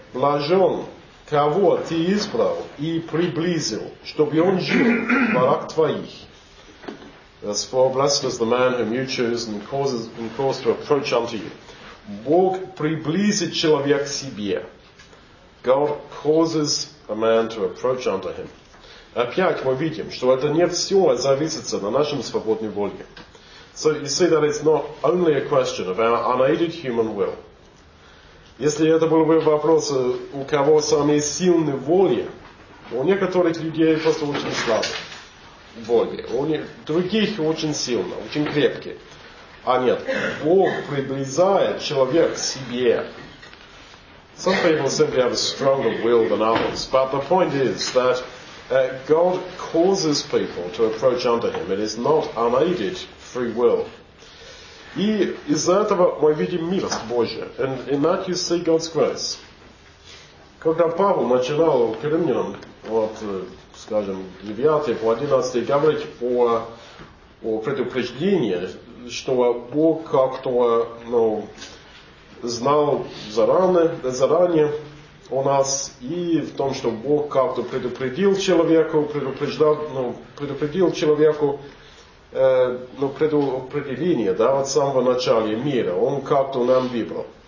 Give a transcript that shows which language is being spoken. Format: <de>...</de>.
<ru>Блажен, кого ты избрал и приблизил, чтобы он жил в барак твоих.</ru> <en>That's for blessed is the man whom you choose and cause to approach unto you.</en> <ru>Бог приблизит человек к себе.</ru> <en>God causes a man to approach unto him.</en> <ru>Опять мы видим, что это не все зависит на нашем свободной воле.</ru> <en>So you see that it's not only a question of our unaided human will.</en> <ru>Если это был бы вопрос, у кого самые сильные воли, у некоторых людей просто очень слабые. Боге. У других очень сильно, очень крепкие. А нет, Бог приблизает человек к себе.</ru> <en>Some people simply have a stronger will than others. But the point is that God causes people to approach unto Him. It is not unaided free will.</en> <ru>И из-за этого мы видим милость Божия.</ru> <en>And in that you see God's grace.</en> <ru>Когда Павел начинал к римлянам, вот, скажем, 9 по 11 говорить о предупреждении, что Бог как-то, ну, знал заранее о нас, и в том, что Бог как-то предупредил человеку предопределение, да, от самого начала мира, Он как-то нам выбрал.</ru>